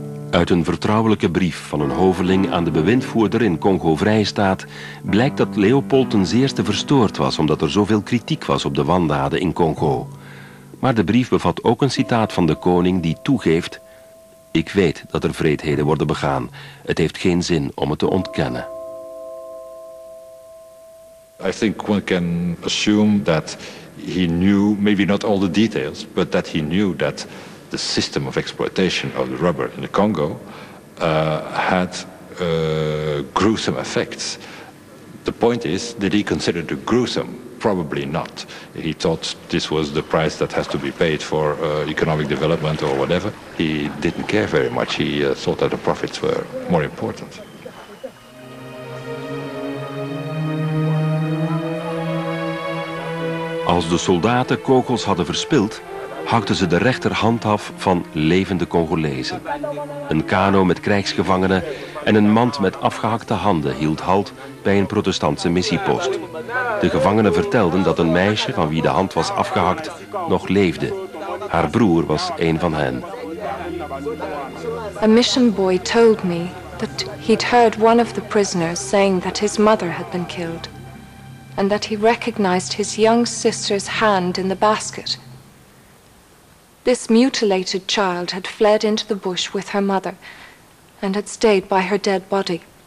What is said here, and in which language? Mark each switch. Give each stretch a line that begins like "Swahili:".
Dutch: Uit een vertrouwelijke brief van een hoveling aan de bewindvoerder in Congo Vrijstaat blijkt dat Leopold ten zeerste verstoord was omdat er zoveel kritiek was op de wandaden in Congo. Maar de brief bevat ook een citaat van de koning die toegeeft: ik weet dat er wreedheden worden begaan. Het heeft geen zin om het te ontkennen.
English: I think one can assume that he knew, maybe not all the details, but that he knew that the system of exploitation of the rubber in the Congo had gruesome effects. The point is, did he consider it gruesome? Probably not. He thought this was the price that has to be paid for economic development or whatever. He didn't care very much. He thought that the profits were more important.
Dutch: Als de soldaten kogels hadden verspild, hakten ze de rechterhand af van levende Congolezen. Een kano met krijgsgevangenen en een mand met afgehakte handen hield halt bij een protestantse missiepost. De gevangenen vertelden dat een meisje van wie de hand was afgehakt nog leefde. Haar broer was een van hen.
English: A mission boy told me that he'd heard one of the prisoners saying that his mother had been killed and that he recognized his young sister's hand in the basket. This mutilated child had fled into the bush with her mother and had stayed by her dead body.